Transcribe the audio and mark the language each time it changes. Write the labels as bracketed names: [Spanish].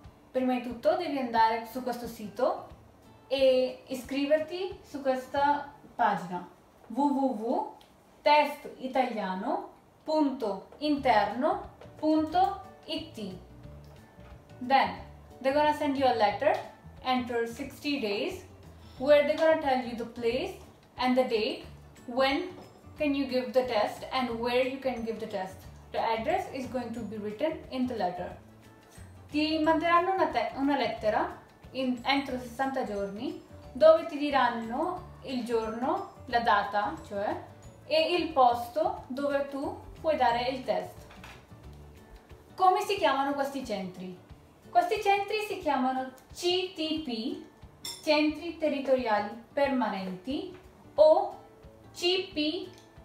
[Italian] Prima di tutto devi andare su questo sito e iscriverti su questa pagina www.testitaliano.interno.it. [English] Then they're gonna send you a letter, enter 60 days, where they're gonna tell you the place and the date when. Can you give the test and where you can give the test? The address is going to be written in the letter. [Italian] Ti manderanno una lettera entro 60 giorni dove ti diranno il giorno, la data, cioè, e il posto dove tu puoi dare il test. Come si chiamano questi centri? Questi centri si chiamano CTP, Centri Territoriali Permanenti, o CP.